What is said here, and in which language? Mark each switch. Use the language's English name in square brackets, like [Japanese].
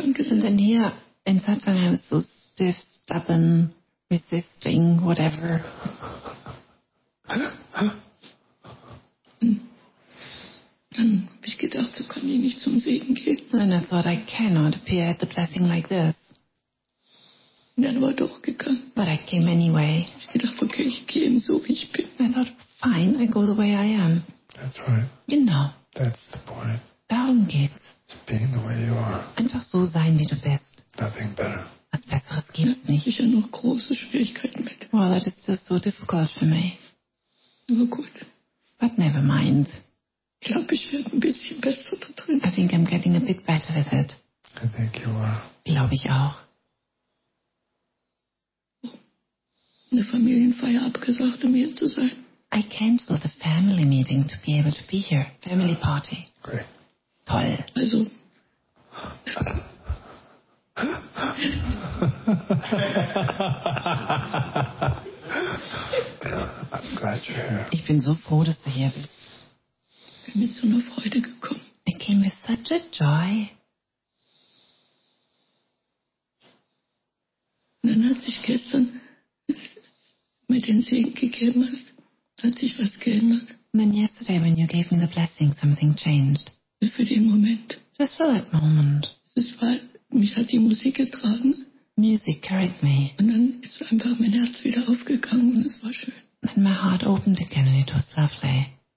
[English] And then here, in Satsang, I was so stiff, stubborn, resisting, whatever. [German] Dann habe ich gedacht, so kann ich nicht zum Segen gehen. [English] And I thought, I cannot appear at the blessing like this. [German] Dann war doch gegangen. [English] But I came anyway. [German] Ich gedacht, okay, ich gehe eben so, wie ich bin. [English] I thought, fine, I go the way I am. That's right. You know. That's the point. [German] Darum geht's. [English] It's being the way you are. [German] Einfach so sein, wie du bist. [English] Nothing better. [German] Was Besseres gibt es nicht. Ich habe noch große Schwierigkeiten mit. [English] Well, that is just so difficult for me. [German] Aber gut. [English] But never mind. [German] Ich glaube, ich werde ein bisschen besser da drin. [English] I think I'm getting a bit better with it. I think you are. [German] Glaube ich auch. Eine Familienfeier abgesagt, um hier zu sein. [English] I canceled the family meeting to be able to be here. Family party. Great. [German] Toll. Also. [English] I'm glad you're here. [German] Ich bin so froh, dass du hier bist. Ich bin mit so einer Freude gekommen. [English] It came with such a joy. [German] Und dann hat sich gestern mit den Segen gegeben hast, hat sich was geändert. [English] And then yesterday when you gave me the blessing, something changed. [German] Für den Moment. [English] Just for that moment. [German] Es war, mich hat die Musik getragen. [English] Music carries me. [German] Und dann ist einfach mein Herz wieder aufgegangen und es war schön. [English] Then my heart opened again and it was lovely.